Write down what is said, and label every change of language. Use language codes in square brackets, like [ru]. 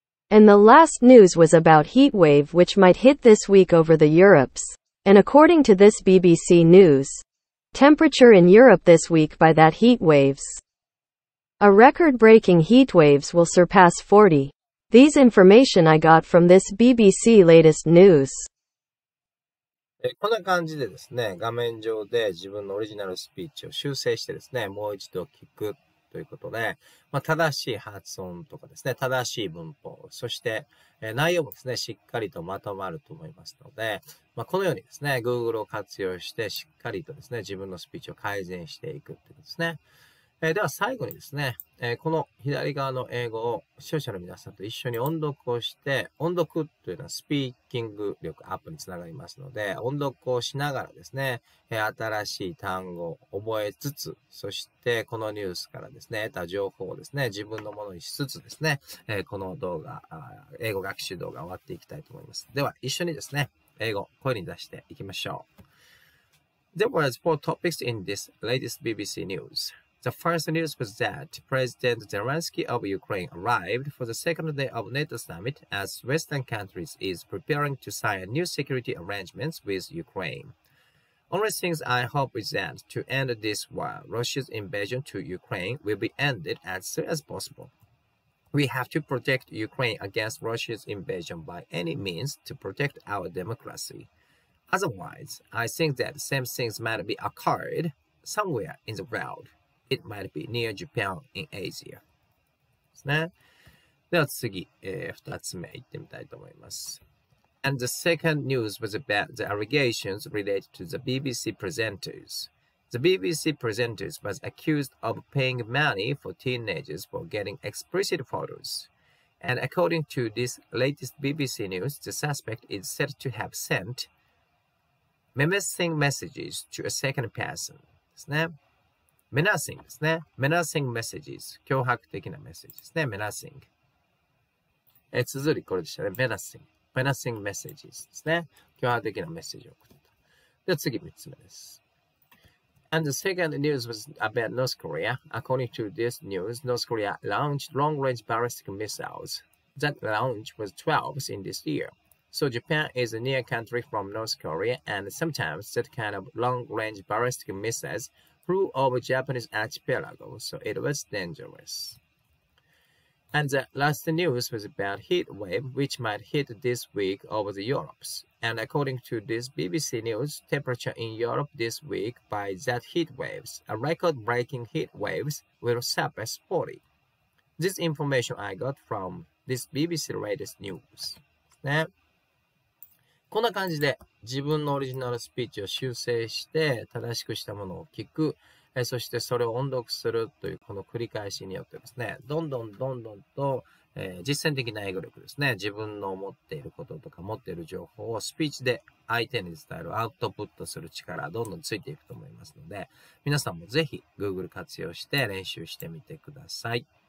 [en] And the last news was about heat wave which might hit this week over the Europe's. And according to this BBC news, temperature in Europe this week by that heat waves. A record-breaking heat waves will surpass 40. These information I got from this BBC latest news. [ja] こんな感じでですね、画面上で自分のオリジナルスピーチを修正してですね、もう一度聞くということで、まあ、正しい発音とかですね、正しい文法、そして内容もですね、しっかりとまとまると思いますので、まあ、このようにですね、Google を活用してしっかりとですね、自分のスピーチを改善していくということですね。では最後にですね、この左側の英語を視聴者の皆さんと一緒に音読をして、音読というのはスピーキング力アップにつながりますので、音読をしながらですね、新しい単語を覚えつつ、そしてこのニュースからですね、得た情報をですね、自分のものにしつつですね、この動画、英語学習動画終わっていきたいと思います。では一緒にですね、英語を声に出していきましょう。 [en] There were four topics in this latest BBC news. The first news was that President Zelensky of Ukraine arrived for the second day of NATO summit as Western countries is preparing to sign new security arrangements with Ukraine. Only things I hope is that to end this war, Russia's invasion to Ukraine will be ended as soon as possible. We have to protect Ukraine against Russia's invasion by any means to protect our democracy. Otherwise, I think that same things might be occurred somewhere in the world. It might be near Japan in Asia. ですね。 [ja] では次、2つ目いってみたいと思います。 [en] And the second news was about the allegations related to the BBC presenters. The BBC presenters was accused of paying money for teenagers for getting explicit photos. And according to this latest BBC news, the suspect is said to have sent menacing messages to a second person. [ja] ですね。Menacing ですね。Menacing messages. 脅迫的なメッセージですね。 Menacing. つづりこれでしたね。Menacing. Menacing messages ですね。脅迫的なメッセージを送った。で、次3つ目です。 [en] And the second news was about North Korea. According to this news, North Korea launched long-range ballistic missiles. That launch was 12th in this year. So Japan is a near country from North Korea, and sometimes that kind of long-range ballistic missilesthrough of Japanese archipelago, so it was dangerous. And the last news was about heat wave, which might hit this week over the Europe. And according to this BBC news, temperature in Europe this week by that heat waves, a record-breaking heat waves, will surpass 40. This information I got from this BBC latest news. [ja] Now,こんな感じで自分のオリジナルスピーチを修正して正しくしたものを聞く、そしてそれを音読するというこの繰り返しによってですね、どんどんどんどんと、実践的な英語力ですね、自分の持っていることとか持っている情報をスピーチで相手に伝えるアウトプットする力どんどんついていくと思いますので、皆さんもぜひ Google 活用して練習してみてください。